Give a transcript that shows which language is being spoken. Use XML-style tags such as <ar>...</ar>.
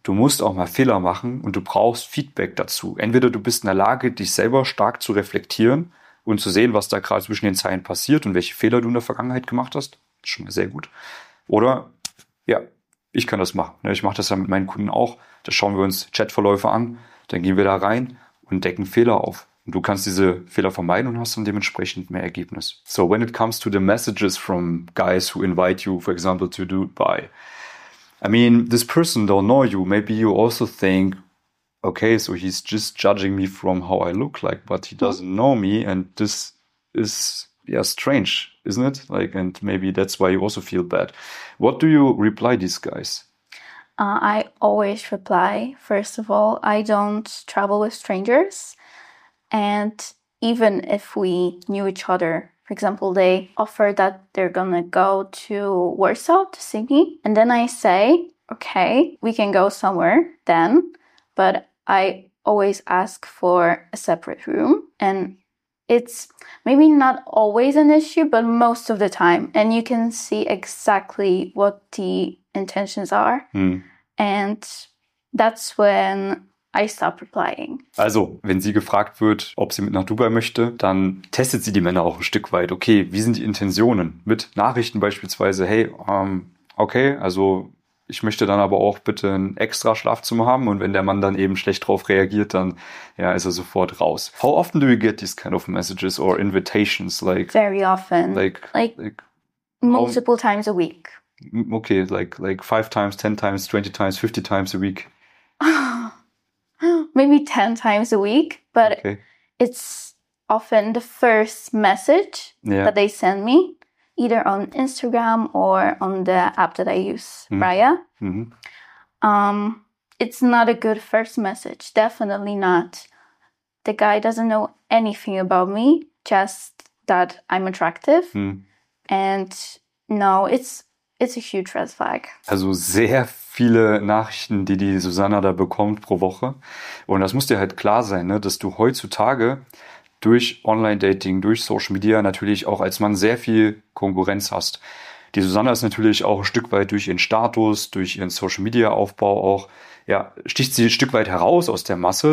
<de>Du musst auch mal Fehler machen und du brauchst Feedback dazu. Entweder du bist in der Lage, dich selber stark zu reflektieren und zu sehen, was da gerade zwischen den Zeilen passiert und welche Fehler du in der Vergangenheit gemacht hast. Das ist schon mal sehr gut. Oder, ja, ich kann das machen. Ich mache das ja mit meinen Kunden auch. Da schauen wir uns Chatverläufe an. Dann gehen wir da rein und decken Fehler auf. Und du kannst diese Fehler vermeiden und hast dann dementsprechend mehr Ergebnis.</de> <en>So, when it comes to the messages from guys who invite you, for example, to Dubai. I mean, this person don't know you. Maybe you also think, okay, so he's just judging me from how I look like, but he doesn't know me. And this is, yeah, strange, isn't it? Like, and maybe that's why you also feel bad. What do you reply these guys? I always reply, first of all, I don't travel with strangers. And even if we knew each other, for example, they offer that they're going to go to Warsaw, to Sydney. And then I say, okay, we can go somewhere then. But I always ask for a separate room. And it's maybe not always an issue, but most of the time. And you can see exactly what the intentions are. Mm. And that's when I stop replying.</en> <de>Also, wenn sie gefragt wird, ob sie mit nach Dubai möchte, dann testet sie die Männer auch ein Stück weit. Okay, wie sind die Intentionen? Mit Nachrichten beispielsweise, hey, okay, also ich möchte dann aber auch bitte ein extra Schlafzimmer haben. Und wenn der Mann dann eben schlecht drauf reagiert, dann ja, ist er sofort raus.</de> <en>How often do you get these kind of messages or invitations? Like very often. Like multiple times a week. Okay, like 5 times, 10 times, 20 times, 50 times a week. Maybe 10 times a week, but okay. It's often the first message that they send me, either on Instagram or on the app that I use, Raya. Mm-hmm. It's not a good first message, definitely not. The guy doesn't know anything about me, just that I'm attractive. Mm. And no, it's a huge red flag.</en> <de>Also sehr viele Nachrichten, die Susanna da bekommt pro Woche. Und das muss dir halt klar sein, ne, dass du heutzutage durch Online-Dating, durch Social Media natürlich auch als Mann sehr viel Konkurrenz hast. Die Susanna ist natürlich auch ein Stück weit durch ihren Status, durch ihren Social-Media-Aufbau auch, ja, sticht sie ein Stück weit heraus aus der Masse.</de>